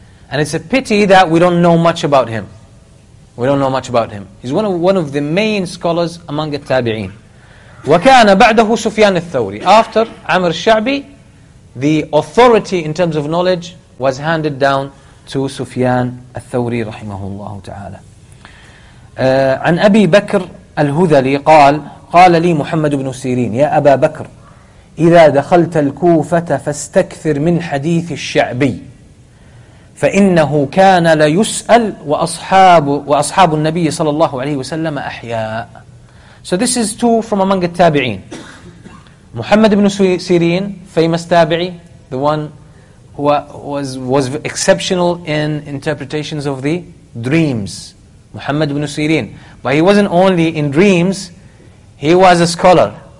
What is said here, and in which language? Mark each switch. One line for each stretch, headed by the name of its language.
English: And it's a pity that we don't know much about him. We don't know much about him. He's one of the main scholars among the Tabi'een.
Arabic: وَكَانَ بَعْدَهُ سُفْيَانِ الثَّوْرِ.
English: After Amr al-Sha'bi, the authority in terms of knowledge was handed down to Sufyan al-Thawri rahimahullah ta'ala.
Arabic: عن أبي بكر الهذلي قال قال لي محمد بن سيرين يا أبا بكر إذا دخلت الكوفة فاستكثر من حديث الشعبي فإنه كان ليسأل وأصحاب النبي صلى الله عليه وسلم أحياء.
English: So this is two from among the Tabi'een. Muhammad ibn Sirin, famous Tabi'i, the one who was exceptional in interpretations of the dreams. Muhammad ibn Sirin. But he wasn't only in dreams, he was a scholar.